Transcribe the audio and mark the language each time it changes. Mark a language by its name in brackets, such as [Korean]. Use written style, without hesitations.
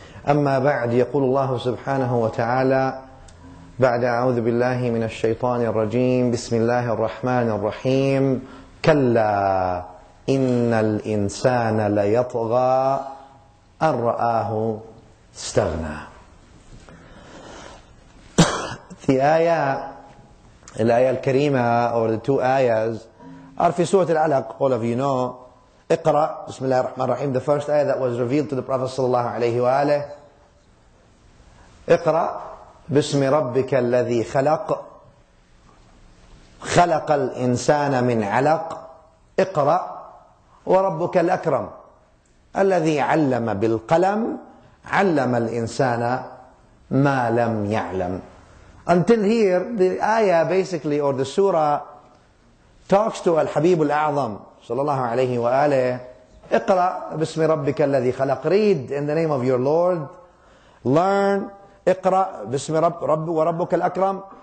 [Arabic] أما بعد يقول الله سبحانه وتعالى بعد أعوذ بالله من الشيطان الرجيم بسم الله الرحمن الرحيم كلا إن الإنسان ليطغى أن رآه استغنى. [English] The ayah, [Arabic] الآية الكريمة, [English] or the two ayahs, are [Arabic] في سورة العلق. [English] All of you know, [Arabic] اقرأ, بسم الله الرحمن الرحيم, [English] the first ayah that was revealed to the Prophet [Arabic] صلى الله عليه وآله. اقرأ بسم ربك الذي خلق, خلق الإنسان من علق. اقرأ وربك الأكرم الذي علم بالقلم علم الإنسان ما لم يعلم. [English] Until here, the ayah basically, or the surah, talks to [Arabic] الحبيب الأعظم صلى الله عليه وآله. اقرأ بسم ربك الذي خلق. [English] Read in the name of your Lord. Learn. [Arabic] اقرأ بسم رب وربك الأكرم.